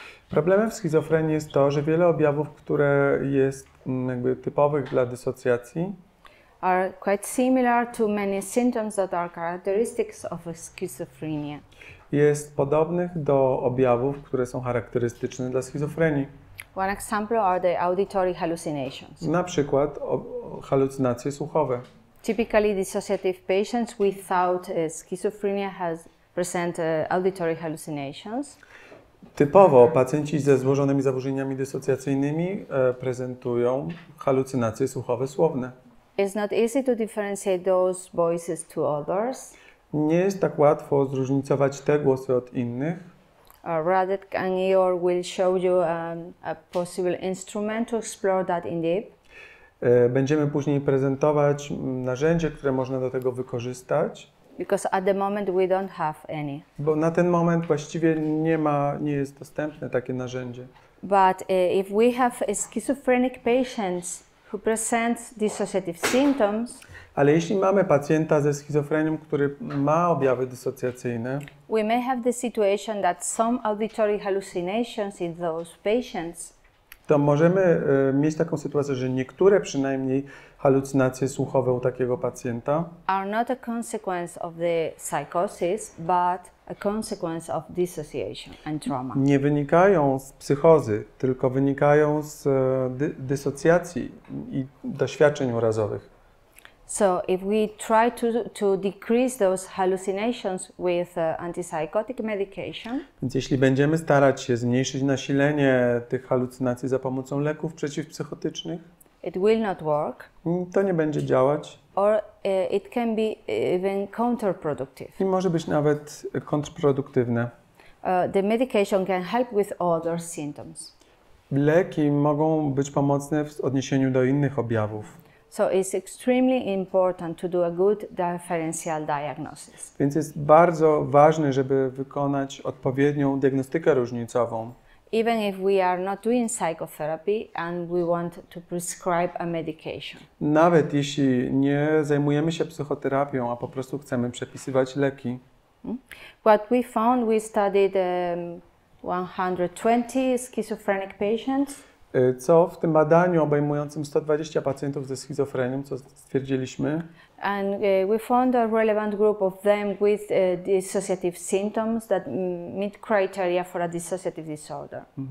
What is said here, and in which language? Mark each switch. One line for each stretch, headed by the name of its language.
Polish: Problemem w schizofrenii jest to, że wiele objawów, które jest jakby typowych dla dysocjacji,
English: are quite similar to many symptoms that are characteristics of schizophrenia.
Polish: Jest podobnych do objawów, które są charakterystyczne dla schizofrenii.
English: One example are the auditory hallucinations.
Polish: Na przykład halucynacje słuchowe.
English: Typically dissociative patients without schizophrenia has present auditory hallucinations.
Polish: Typowo pacjenci ze złożonymi zaburzeniami dysocjacyjnymi prezentują halucynacje słuchowe słowne.
English: It's not easy to differentiate those voices to others.
Polish: Nie jest tak łatwo zróżnicować te głosy od innych.
English: Radek and Ior will show you a possible instrument to explore that in deep.
Polish: Będziemy później prezentować narzędzie, które można do tego wykorzystać.
English: Because at the moment we don't have any.
Polish: Bo na ten moment właściwie nie jest dostępne takie narzędzie.
English: But if we have schizophrenic patients who present dissociative symptoms.
Polish: Ale jeśli mamy pacjenta ze schizofrenią, który ma objawy dysocjacyjne,
English: we may have the situation that some auditory hallucinations in those patients.
Polish: To możemy mieć taką sytuację, że niektóre przynajmniej halucynacje słuchowe u takiego pacjenta
English: are not a consequence of the psychosis, but a consequence of dissociation and trauma.
Polish: Nie wynikają z psychozy, tylko wynikają z dysocjacji i doświadczeń urazowych.
English: So if we try to decrease those hallucinations with antipsychotic medication.
Polish: Więc jeśli będziemy starać się zmniejszyć nasilenie tych halucynacji za pomocą leków przeciwpsychotycznych,
English: it will not work.
Polish: To nie będzie działać.
English: Or it can be even counterproductive.
Polish: I może być nawet kontrproduktywne.
English: The medication can help with other symptoms.
Polish: Leki mogą być pomocne w odniesieniu do innych objawów.
English: So it's extremely important to do a good differential diagnosis.
Polish: Więc jest bardzo ważne, żeby wykonać odpowiednią diagnostykę różnicową.
English: Even if we are not doing psychotherapy and we want to prescribe a medication.
Polish: Nawet jeśli nie zajmujemy się psychoterapią, a po prostu chcemy przepisywać leki.
English: What we found, we studied 120 schizophrenic patients.
Polish: Co w tym badaniu obejmującym 120 pacjentów ze schizofrenią, co stwierdziliśmy?
English: And we found a relevant group of them with dissociative symptoms that meet criteria for a dissociative disorder.